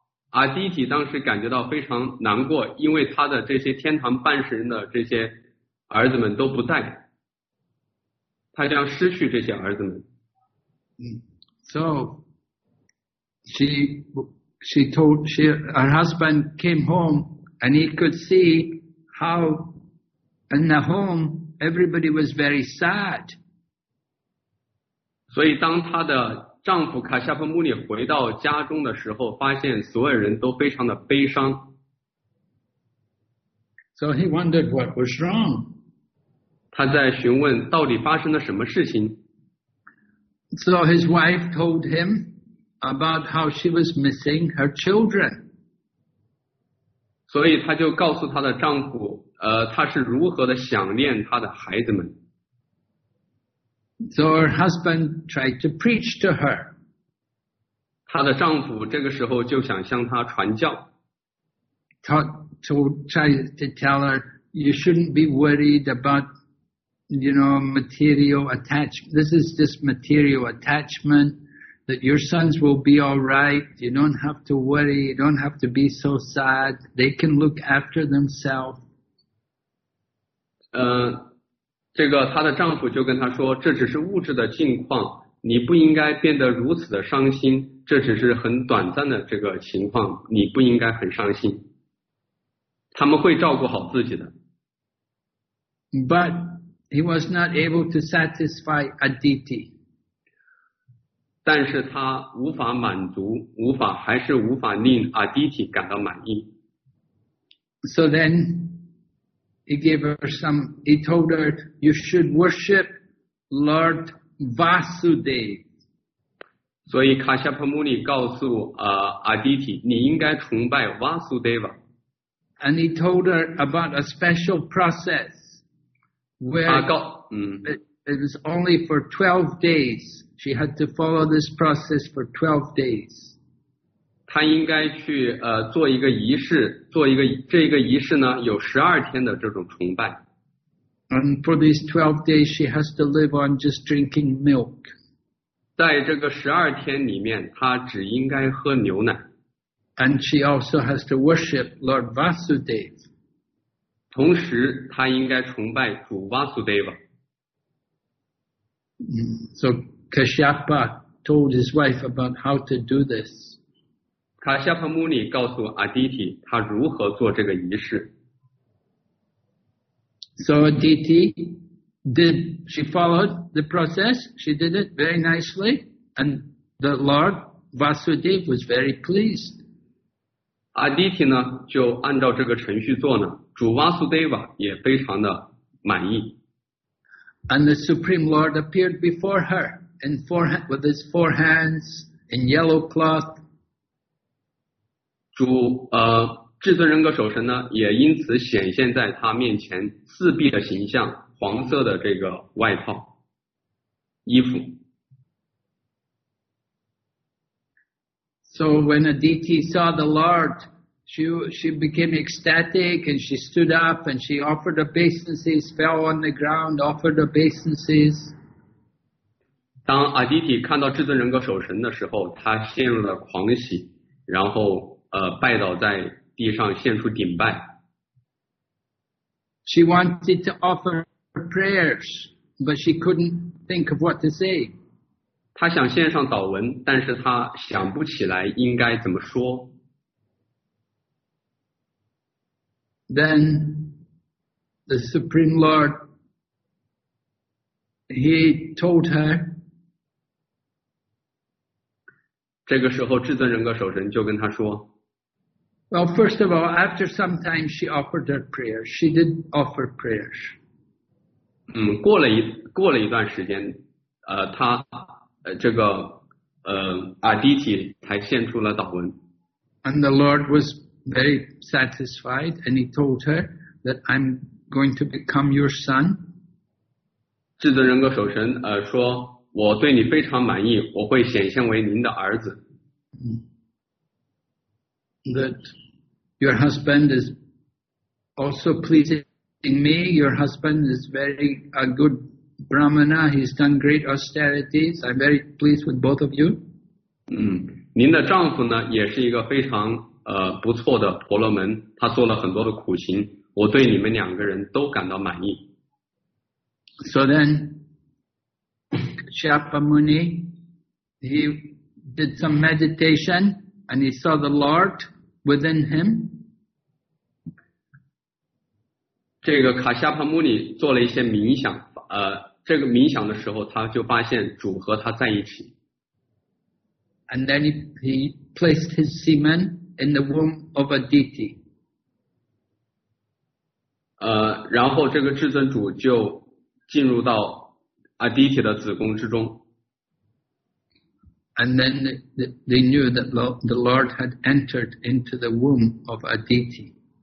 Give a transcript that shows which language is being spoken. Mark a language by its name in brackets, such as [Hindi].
[Chinese] Aditi 当时感觉到非常难过，因为他的这些天堂半神的这些儿子们都不在，他将失去这些儿子们。 [English] So she told her husband came home and he could see how in the home everybody was very sad. [Chinese] 所以当他的丈夫卡夏夫穆尼回到家中的时候，发现所有人都非常的悲伤。 [English] So he wondered what was wrong. [Chinese] 他在询问到底发生了什么事情。 [English] So his wife told him about how she was missing her children. [Chinese] 所以她就告诉她的丈夫，她是如何的想念她的孩子们。 [English] So her husband tried to preach to her. [Chinese] 她的丈夫这个时候就想向她传教。 [English] Tried to tell her, you shouldn't be worried about, you know, material attachment. This is just material attachment. That your sons will be all right. You don't have to worry. You don't have to be so sad. They can look after themselves. [Chinese] 这个她的丈夫就跟她说，这只是物质的境况，你不应该变得如此的伤心。这只是很短暂的这个情况，你不应该很伤心。他们会照顾好自己的。 [English] But he was not able to satisfy Aditi. [Chinese] 但是他无法满足，还是无法令 Aditi 感到满意。 [English] So then he gave her some, he told her, you should worship Lord Vasudev. [Chinese] 所以卡夏帕穆尼告诉Aditi, 你应该崇拜 Vasudeva. [English] And he told her about a special process where it was only for 12 days. She had to follow this process for 12 days. [Chinese] 她应该去做一个仪式，做一个这个仪式呢有12天的这种崇拜。 [English] And for these 12 days, she has to live on just drinking milk. [Chinese] 在这个12天里面，她只应该喝牛奶。 [English] And she also has to worship Lord Vasudev. [Chinese] 同时，她应该崇拜主 Vasudeva. [English] So Kashyapa told his wife about how to do this. [Chinese] Kashyapa Muni 告诉 Aditi 他如何做这个仪式。 [English] So Aditi, did she follow the process? She did it very nicely, and the Lord Vasudev was very pleased. [Chinese] 阿迪提呢就按照这个程序做呢主瓦苏德瓦也非常的满意。 [English] And the Supreme Lord appeared before her in with his four hands in yellow cloth. [Chinese] 主至尊人格首神呢也因此显现在他面前四臂的形象黄色的这个外套衣服。 [English] So when Aditi saw the Lord, she became ecstatic and she stood up and she offered obeisances, fell on the ground, offered obeisances. [Chinese] 当 Aditi 看到至尊人格守神的时候，他陷入了狂喜，然后拜倒在地上，献出顶拜。 [English] She wanted to offer prayers, but she couldn't think of what to say. [Chinese] 他想献上祷文，但是他想不起来应该怎么说。 [English] Then the Supreme Lord, he told her. [Chinese] 这个时候，至尊人格守神就跟他说。 [English] Well, first of all, after some time, she offered her prayers. She did offer prayers. [Chinese] 过了一段时间，他。这个阿迪提才献出了祷文。 [English] And the Lord was very satisfied, and he told her that I'm going to become your son. [Chinese] 至尊人格守神说我对你非常满意，我会显现为您的儿子。 [English] That your husband is also pleasing me. Your husband is very a good. Brahmana, he's done great austerities. I'm very pleased with both of you. [Chinese] 您的丈夫呢也是一个非常不错的婆罗门，他做了很多的苦行，我对你们两个人都感到满意。 [English] So then, Kashyapa Muni, he did some meditation and he saw the Lord within him. [Chinese] 这个卡夏帕穆尼做了一些冥想，这个冥想的时候，他就发现主和他在一起。 [English] And then he placed his semen in the womb of Aditi. [Chinese] 然后这个至尊主就进入到 Aditi 的子宫之中。 [English] And then they knew that the Lord had entered into the womb of Aditi.